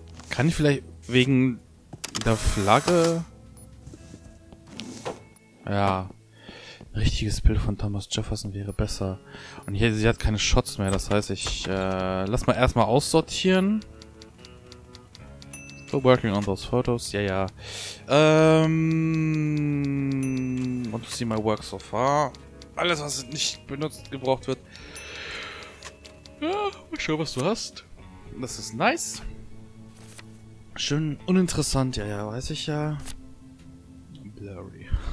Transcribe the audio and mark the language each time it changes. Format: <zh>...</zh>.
<de>Kann ich vielleicht wegen der Flagge? Ja. Ein richtiges Bild von Thomas Jefferson wäre besser. Und hier, sie hat keine Shots mehr. Das heißt, ich lass mal erstmal aussortieren.</de> <en>Still working on those photos.</en> <de>Ja, ja.</de> <en>Want to see my work so far?</en> <de>Alles, was nicht benutzt, gebraucht wird. Ja, mal schauen, was du hast. Das ist nice. Schön uninteressant. Ja, ja, weiß ich ja. Blurry.</de>